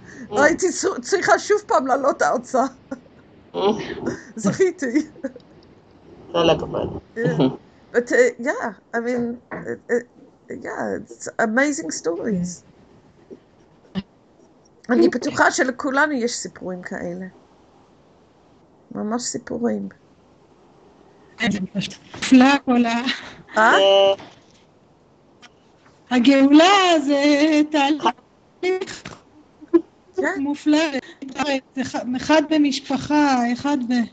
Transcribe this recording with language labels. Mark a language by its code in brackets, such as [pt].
[he] הייתי צריכה שוב פעם לעלות ארצה. זכיתי. [en] But yeah, I mean, yeah, it's amazing stories. [he] אני בטוחה שלכולנו יש סיפורים כאלה. ממש סיפורים. נפלא כל ה... הגאולה זה תהליך מופלא, אחד במשפחה, אחד ב...